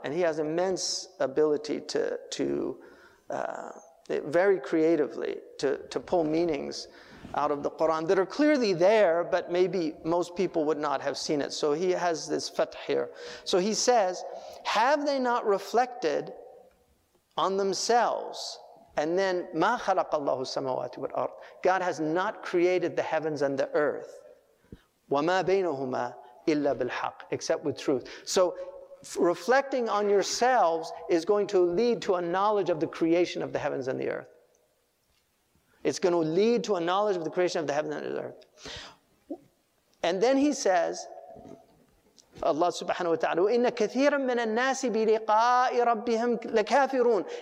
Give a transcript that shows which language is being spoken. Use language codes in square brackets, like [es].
[en] And he has immense ability to very creatively pull meanings out of the Quran that are clearly there, but maybe most people would not have seen it. So he has this fath here. So he says, have they not reflected on themselves And then [ar] مَا خَلَقَ اللَّهُ السَّمَوَاتِ وَالْأَرْضِ. [en] God has not created the heavens and the earth. [ar] وَمَا بَيْنَهُمَا إِلَّا بِالْحَقِّ, [en] except with truth. So reflecting on yourselves is going to lead to a knowledge of the creation of the heavens and the earth. It's going to lead to a knowledge of the creation of the heavens and the earth. And then he says, [ar] Allah subhanahu wa ta'ala, إِنَّ كَثِيرًا مِّنَ النَّاسِ بِلِقَاءِ رَبِّهِمْ لَكَافِرُونَ.